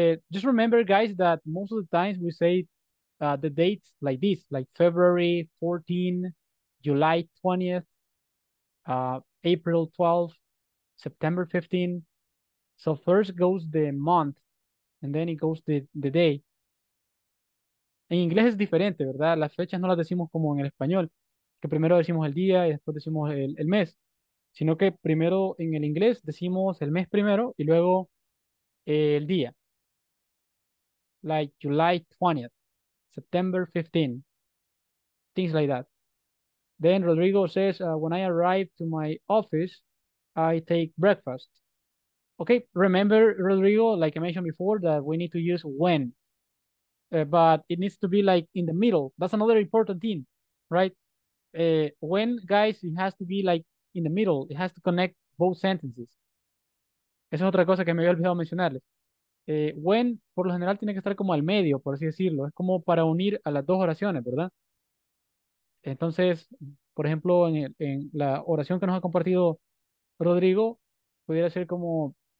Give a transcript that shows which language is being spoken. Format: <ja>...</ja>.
<en>Just remember, guys, that most of the times we say the dates like this, like February 14, July 20th, April 12th, September 15th. So first goes the month, and then it goes the day.</en> <es>En inglés es diferente, ¿verdad? Las fechas no las decimos como en el español, que primero decimos el día y después decimos el mes, sino que primero en el inglés decimos el mes primero y luego el día.</es> <en>Like July 20th, September 15th, things like that. Then Rodrigo says, when I arrive to my office, I take breakfast. Okay, remember, Rodrigo, like I mentioned before, that we need to use when. But it needs to be like in the middle. That's another important thing, right? When, guys, it has to be like in the middle. It has to connect both sentences.</en> <es>Esa es otra cosa que me había olvidado mencionarles. When, por lo general, tiene que estar como al medio, por así decirlo. Es como para unir a las dos oraciones, ¿verdad? Entonces, por ejemplo, en la oración que nos ha compartido Rodrigo, pudiera ser como...</es>